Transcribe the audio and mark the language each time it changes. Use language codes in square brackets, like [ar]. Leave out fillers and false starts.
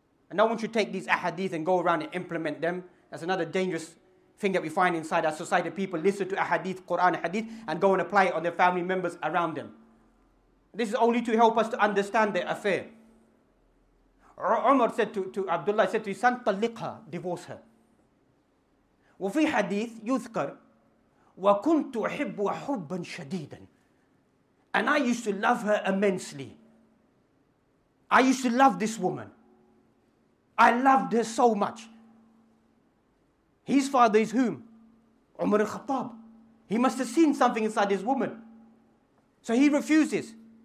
[en] And no one should take these ahadith and go around and implement them. That's another dangerous thing that we find inside our society. People listen to ahadith, Quran hadith, and go and apply it on their family members around them. This is only to help us to understand the affair. Umar said to Abdullah, said to his son, Talliqha, divorce her. [ar] وفي حديث يذكر وكنت أحب حبا شديدا. [en] And I used to love her immensely. I used to love this woman. I loved her so much. His father is whom? Umar al-Khattab. He must have seen something inside this woman. So he refuses.